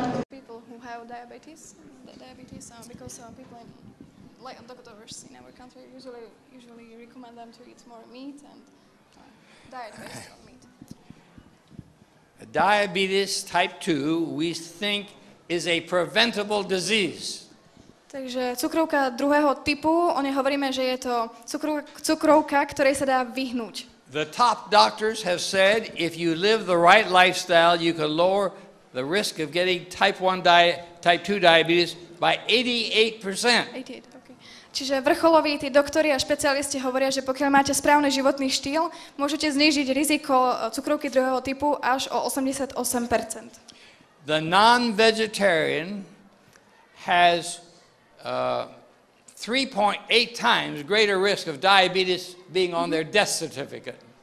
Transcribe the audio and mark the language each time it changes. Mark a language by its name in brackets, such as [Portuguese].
[English] People who have diabetes because some people in, like doctors in our country usually recommend them to eat more meat and diet based on meat. Diabetes type 2 we think is a preventable disease. [Slovak] Takže cukrovka druhého typu, o nej hovoríme, že je to cukrovka, ktorej sa dá vyhnúť. [English] The top doctors have said if you live the right lifestyle, you can lower the risk of getting type 1 type 2 diabetes by 88%. [Slovak] Čiže vrcholoví tí doktori a špecialisti hovoria, že pokiaľ máte správny životný štýl, môžete znížiť riziko cukrovky druhého typu až o 88%. [English] The non-vegetarian has 3.8 times greater risk of diabetes being on their death certificate.